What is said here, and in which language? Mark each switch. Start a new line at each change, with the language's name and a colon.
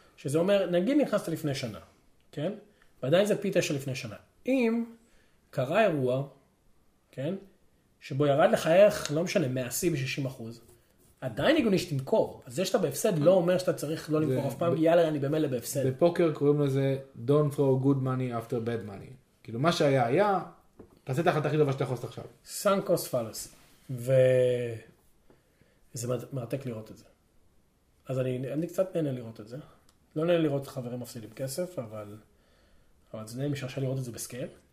Hebrew: שזה אומר, נגיד נכנסת לפני שנה, כן? ועדיין זה פי 9 לפני שנה. אם קרה אירוע, כן? שבו ירד לך ערך, לא משנה, 100% ב-60%, עדיין הגיוני שתמכור. אז זה שאתה בהפסד לא אומר שאתה צריך לא למכור אף פעם, יאללה, אני במילא בהפסד. בפוקר קוראים לזה,
English: don't throw good money after bad money.
Hebrew: כאילו מה שהיה היה, תעשה את ההחלטה הכי טובה שאתה יכול לעשות עכשיו.
English: Sunk cost fallacy.
Hebrew: וזה מרתק לראות את זה. אז אני קצת נהנה לראות את זה. לא נהנה לראות חברים מפסידים כסף, אבל זה נהנה משרשה לראות את זה בסקייל.